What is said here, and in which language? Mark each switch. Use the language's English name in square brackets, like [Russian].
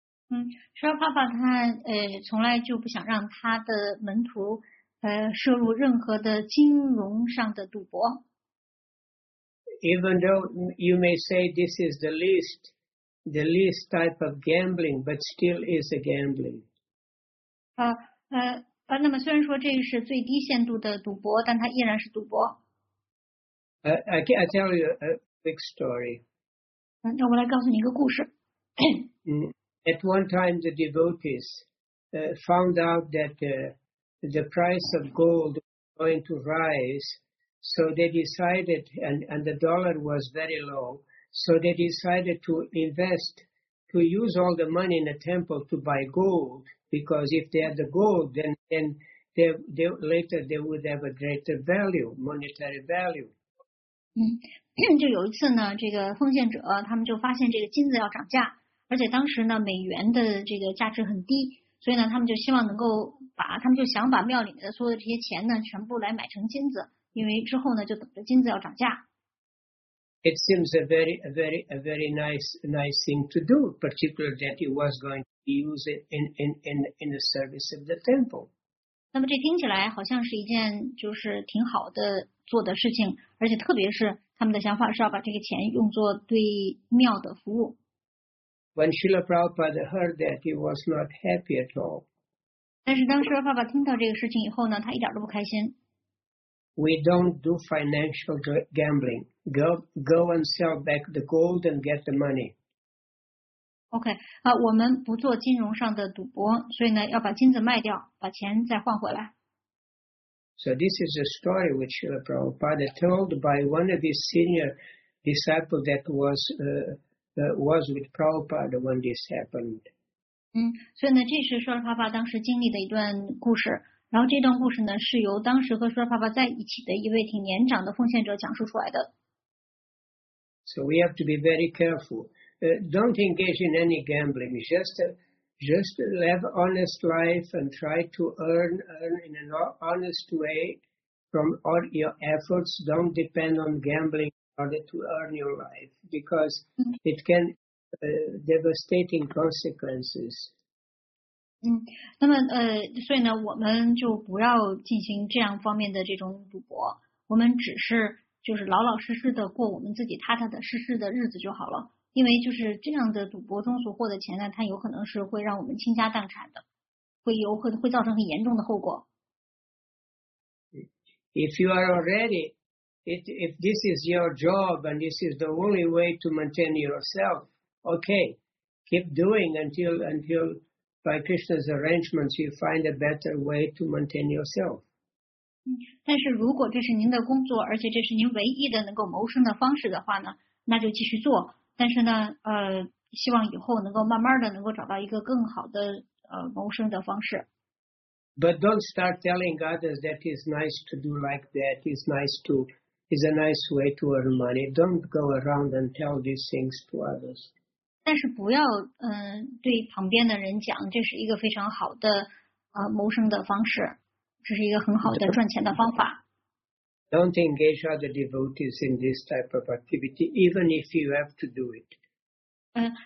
[Chinese] Srila Prabhupada 他从来就不想让他的门徒涉入任何的金融上的赌博。 [English] Even though you may say this is the least type of gambling, but still is a gambling. [Chinese] 那么虽然说这是最低限度的赌博，但它依然是赌博。 [English] I tell you a quick story. [Chinese] 那我来告诉你一个故事。 [English] At one time, the devotees found out that. The price of gold was going to rise, so they decided, and the dollar was very low, so they decided to invest, to use all the money in the temple to buy gold, because if they had the gold, then they later they would have a greater value, monetary value. [Chinese] 就有一次呢，这个奉献者他们就发现这个金子要涨价，而且当时呢，美元的这个价值很低，所以呢，他们就希望能够。他们就想把庙里面的所有的这些钱呢，全部来买成金子，因为之后呢，就等着金子要涨价。 [English] It seems a very nice thing to do, particularly that it was going to be used in the service of the temple. [Chinese] 那么这听起来好像是一件就是挺好的做的事情，而且特别是他们的想法是要把这个钱用作对庙的服务。 [English] When Srila Prabhupada heard that, he was not happy at all. [Chinese] 但是当时爸爸听到这个事情以后呢，他一点都不开心。 [English] We don't do financial gambling. Go and sell back the gold and get the money. [Chinese] Okay, 啊，我们不做金融上的赌博，所以呢，要把金子卖掉，把钱再换回来。 [English] So this is a story which Srila Prabhupada told by one of his senior disciples that was with Prabhupada when this happened. [Chinese] 所以呢，这是舒拉帕帕当时经历的一段故事。然后这段故事呢，是由当时和舒拉帕帕在一起的一位挺年长的奉献者讲述出来的。 [English] So we have to be very careful. Don't engage in any gambling. Just live an honest life and try to earn in an honest way from all your efforts. Don't depend on gambling in order to earn your life because it can devastating consequences. [Chinese] 那么所以呢，我们就不要进行这样方面的这种赌博，我们只是就是老老实实的过我们自己踏踏的实实的日子就好了。因为就是这样的赌博中所获的钱呢，它有可能是会让我们倾家荡产的，会造成很严重的后果。 [English] If you are already, if this is your job and this is the only way to maintain yourself, okay, keep doing until by Krishna's arrangements you find a better way to maintain yourself. [Chinese] 但是如果这是您的工作，而且这是您唯一的能够谋生的方式的话呢，那就继续做。但是呢，希望以后能够慢慢的能够找到一个更好的谋生的方式。 [English] But don't start telling others that it's nice to do like that. It's a nice way to earn money. Don't go around and tell these things to others. [Chinese] 但是不要对旁边的人讲这是一个非常好的谋生的方式，这是一个很好的赚钱的方法。 [English] Don't engage other devotees in this type of activity, even if you have to do it.